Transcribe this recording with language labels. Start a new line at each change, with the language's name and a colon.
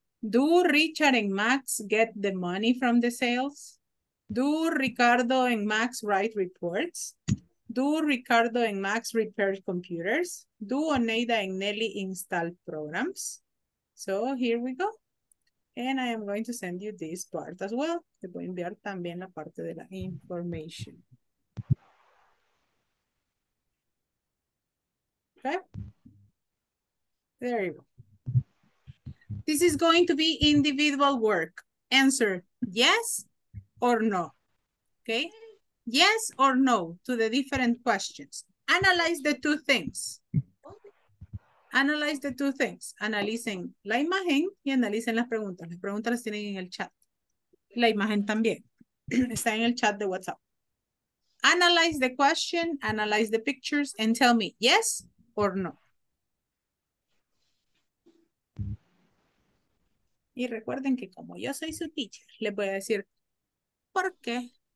English: Do Richard and Max get the money from the sales? Do Ricardo and Max write reports? Do Ricardo and Max repair computers? Do Oneida and Nelly install programs? So here we go. And I am going to send you this part as well.
Spanish: Te voy a enviar también la parte de la information.
English: Okay. There you go. This is going to be individual work. Answer yes or no. Okay. Yes or no to the different questions. Analyze the two things. Analyze the two things.
Spanish: Analicen la imagen y analicen las preguntas. Las preguntas las tienen en el chat. La imagen también. Está en el chat de WhatsApp.
English: Analyze the question, analyze the pictures, and tell me yes or no.
Spanish: Y recuerden que como yo soy su teacher, les voy a decir por qué.